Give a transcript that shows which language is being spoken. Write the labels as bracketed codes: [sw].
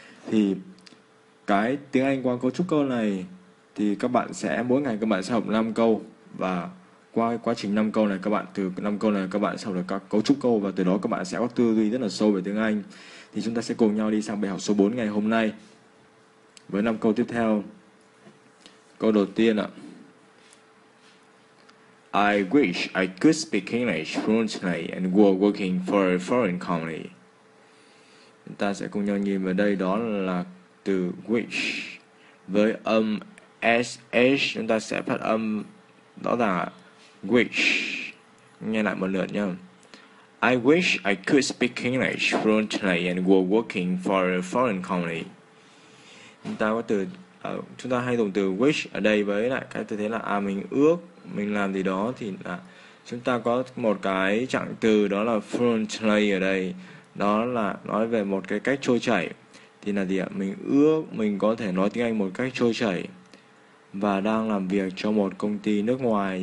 [vi] Thì cái tiếng Anh qua cấu trúc câu này thì các bạn sẽ mỗi ngày các bạn sẽ học 5 câu, và qua quá trình 5 câu này các bạn từ 5 câu này các bạn sẽ học được các cấu trúc câu, và từ đó các bạn sẽ có tư duy rất là sâu về tiếng Anh. Thì chúng ta sẽ cùng nhau đi sang bài học số 4 ngày hôm nay với 5 câu tiếp theo. Câu đầu tiên ạ. [en] I wish I could speak English fluently and were working for a foreign company. [vi] Chúng ta sẽ cùng nhau nhìn vào đây, đó là từ wish với âm SH. Chúng ta sẽ phát âm rõ ràng ạ. Wish. Nghe lại một lượt nhé. [en] I wish I could speak English fluently and were working for a foreign company. [vi] Chúng ta có từ chúng ta hay dùng từ wish ở đây với lại cái tư thế là mình ước mình làm gì đó, thì chúng ta có một cái trạng từ đó là fluently ở đây, đó là nói về một cái cách trôi chảy. Thì là gì ạ? Mình ước mình có thể nói tiếng Anh một cách trôi chảy và đang làm việc cho một công ty nước ngoài.